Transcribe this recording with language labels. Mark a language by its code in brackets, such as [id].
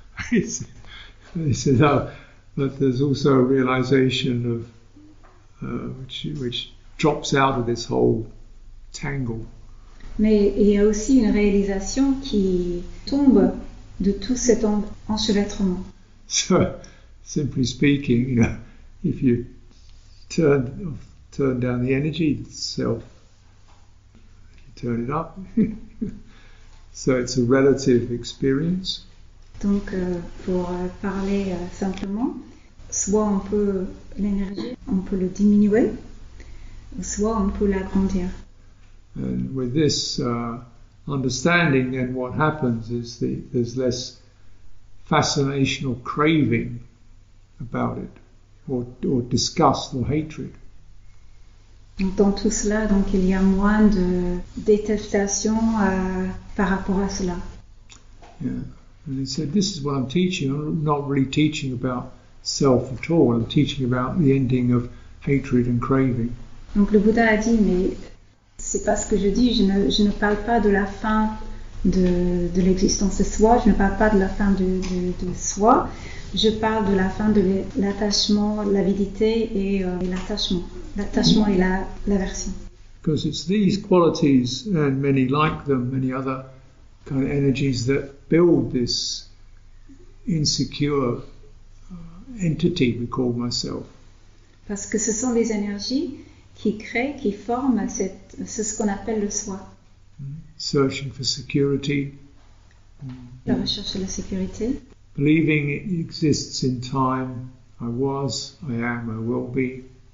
[en] He said, oh, but there's also a realization of which drops out of this whole tangle. [fr] Mais il y a aussi une réalisation qui tombe de tout cet enchevêtrement. [en] So, simply speaking, you know, if you turn down the energy itself, you turn it up. So it's a relative experience. [fr] Donc, pour parler simplement, soit on peut l'énergie, on peut le diminuer, soit on peut l'agrandir. [en] And with this understanding, then what happens is there's less fascination or craving about it, or disgust or hatred. [fr] Dans tout cela, donc il y a moins de détestation par rapport à cela. [en] Yeah, and he said, this is what I'm teaching. I'm not really teaching about self at all. I'm teaching about the ending of hatred and craving. [fr] Donc le Bouddha a dit, mais c'est pas ce que je dis. Je ne parle pas de la fin de l'existence de soi. Je ne parle pas de la fin de soi. Je parle de la fin de l'attachement, l'avidité et l'attachement. L'attachement et l'aversion. [en] Because it's these qualities and many like them, many other kind of energies that build this insecure entity we call myself. [fr] Parce que ce sont des énergies qui créent, qui forment ce qu'on appelle le soi. [en] Searching for security. [fr] La recherche de la sécurité. [en] Believing it exists in time, I was, I am, I will be.